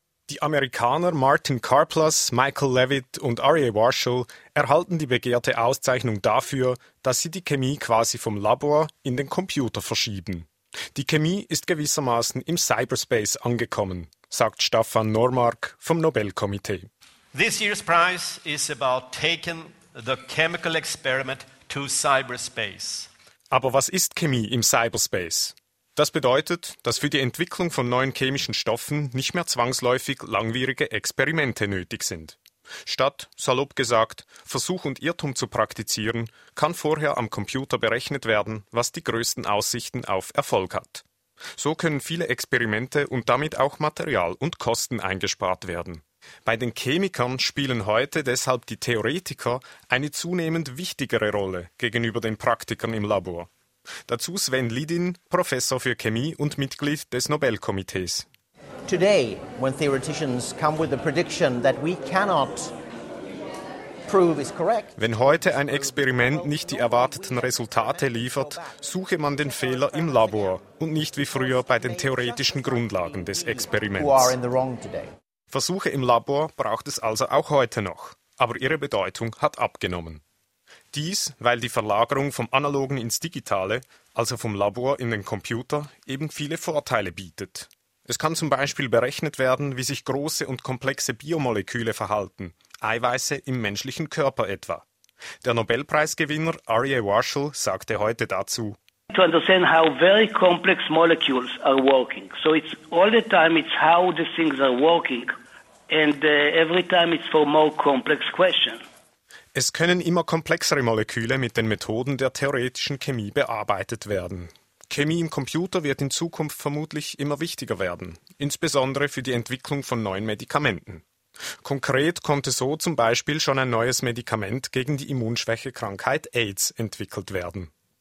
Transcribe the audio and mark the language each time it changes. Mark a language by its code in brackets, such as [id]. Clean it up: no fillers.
[de] Die Amerikaner Martin Karplas, Michael Levitt und Ari Warshall erhalten die begehrte Auszeichnung dafür, dass sie die Chemie quasi vom Labor in den Computer verschieben. Die Chemie ist gewissermaßen im Cyberspace angekommen, sagt Staffan Normark vom Nobelkomitee. [en] This year's prize is about taking the chemical experiment to cyberspace. [de] Aber was ist Chemie im Cyberspace? Das bedeutet, dass für die Entwicklung von neuen chemischen Stoffen nicht mehr zwangsläufig langwierige Experimente nötig sind. Statt, salopp gesagt, Versuch und Irrtum zu praktizieren, kann vorher am Computer berechnet werden, was die größten Aussichten auf Erfolg hat. So können viele Experimente und damit auch Material und Kosten eingespart werden. Bei den Chemikern spielen heute deshalb die Theoretiker eine zunehmend wichtigere Rolle gegenüber den Praktikern im Labor. Dazu Sven Lidin, Professor für Chemie und Mitglied des Nobelkomitees. [en] Today, when theoreticians come with a prediction that we cannot prove is correct, [de] wenn heute ein Experiment nicht die erwarteten Resultate liefert, suche man den Fehler im Labor und nicht wie früher bei den theoretischen Grundlagen des Experiments. Versuche im Labor braucht es also auch heute noch, aber ihre Bedeutung hat abgenommen. Dies, weil die Verlagerung vom Analogen ins Digitale, also vom Labor in den Computer, eben viele Vorteile bietet. Es kann zum Beispiel berechnet werden, wie sich große und komplexe Biomoleküle verhalten, Eiweiße im menschlichen Körper etwa. Der Nobelpreisgewinner Arye Warshall sagte heute dazu: [en] To understand how very complex molecules are working. So it's all the time it's how the things are working and every time it's for more complex questions. [de] Es können immer komplexere Moleküle mit den Methoden der theoretischen Chemie bearbeitet werden. Chemie im Computer wird in Zukunft vermutlich immer wichtiger werden, insbesondere für die Entwicklung von neuen Medikamenten. Konkret konnte so zum Beispiel schon ein neues Medikament gegen die Immunschwächekrankheit AIDS entwickelt werden.